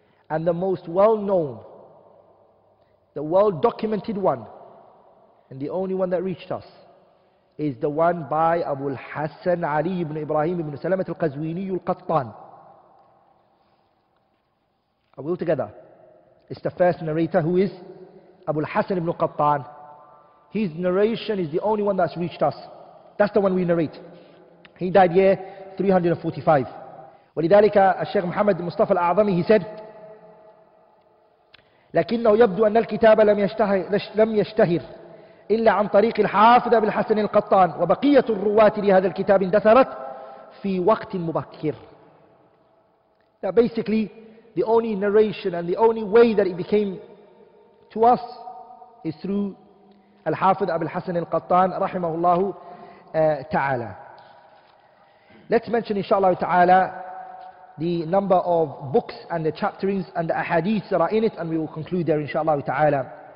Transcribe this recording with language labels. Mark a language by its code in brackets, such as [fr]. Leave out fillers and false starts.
[en] And the most well-known, the well-documented one, and the only one that reached us, is the one by Abu al-Hasan Ali ibn Ibrahim ibn Salamat al-Qazwini al-Qattan. Are we all together? It's the first narrator who is Abu al-Hasan ibn Qattan. His narration is the only one that's reached us. That's the one we narrate. He died year 345. [ar] ولذلك الشيخ محمد مصطفى الأعظمي, [en] he said, [ar] لكنه يبدو أن الكتاب لم يشتهر إلا عن طريق الحافظ أبو الحسن القطان وبقية الرواة لهذا الكتاب اندثرت fi waqtin mubakkir. [en] Now basically, the only narration and the only way that it became to us is through Al-Hafidh Abul Hassan Al-Qattan rahimahullahu ta'ala. Let's mention inshallah ta'ala the number of books and the chapterings and the ahadith that are in it, and we will conclude there inshallah ta'ala.